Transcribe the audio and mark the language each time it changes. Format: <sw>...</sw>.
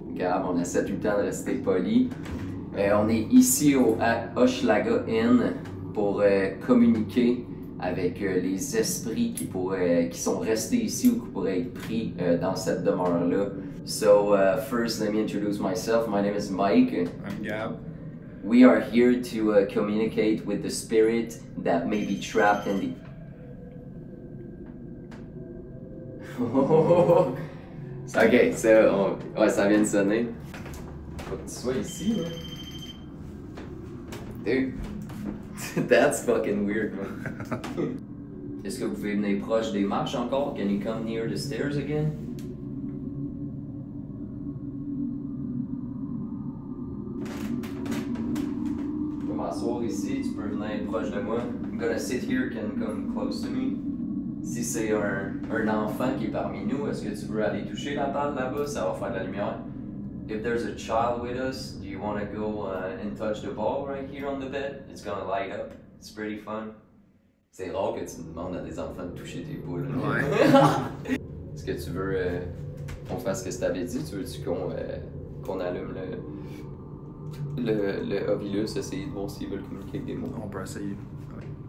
<fr>Gab, on essaie tout le temps de rester poli. On est ici au Hochelaga Inn pour communiquer avec les esprits qui sont restés ici ou qui pourraient être pris dans cette demeure-là.</fr> <en>So, first, let me introduce myself. My name is Mike. I'm Gab. We are here to communicate with the spirit that may be trapped in the...</en> <fr>Ok, ouais, ça vient de sonner. Faut que tu sois ici, là.</fr> <en>Dude, that's fucking weird, man.</en> <fr>Est-ce que vous pouvez venir proche des marches encore?</fr> <en>Can you come near the stairs again?</en> <fr>t'asseoir ici, tu peux venir proche de moi.</fr> <en>I'm gonna sit here, can come close to me.</en> <fr>Si c'est un enfant qui est parmi nous, est-ce que tu veux aller toucher la table là-bas? Ça va faire de la lumière.</fr> <en>If there's a child with us, do you want to go and touch the ball right here on the bed? It's gonna light up. It's pretty fun.</en> <fr>C'est rare que tu demandes à des enfants de toucher tes boules. Ouais. Est-ce que tu veux qu'on fasse ce que tu avais dit? Tu veux-tu qu'on allume le Ovilus, essayer de voir s'ils veulent communiquer avec des mots? On peut essayer. Ouais.</fr>